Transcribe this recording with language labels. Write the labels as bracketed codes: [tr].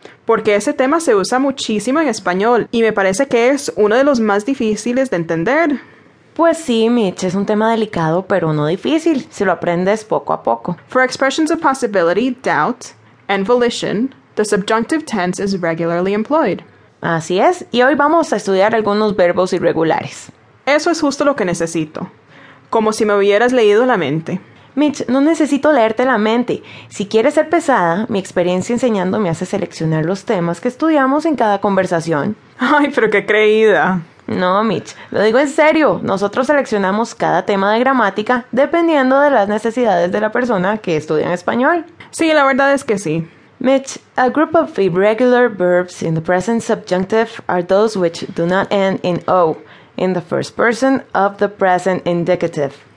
[es] Porque ese tema se usa muchísimo en español y me parece que es uno de los más difíciles de entender. Pues sí, Mitch, es un tema delicado, pero no difícil si lo aprendes poco a poco. [en] For expressions of possibility, doubt, and volition, the subjunctive tense is regularly employed. [es] Así es, y hoy vamos a estudiar algunos verbos irregulares. Eso es justo lo que necesito. Como si me hubieras leído la mente. Mitch, no necesito leerte la mente. Si quieres ser pesada, mi experiencia enseñando me hace seleccionar los temas que estudiamos en cada conversación. Ay, pero qué creída. No, Mitch, lo digo en serio. Nosotros seleccionamos cada tema de gramática dependiendo de las necesidades de la persona que estudia en español. Sí, la verdad es que sí. [en] Mitch, a group of irregular verbs in the present subjunctive are those which do not end in O, in the first person of the present indicative.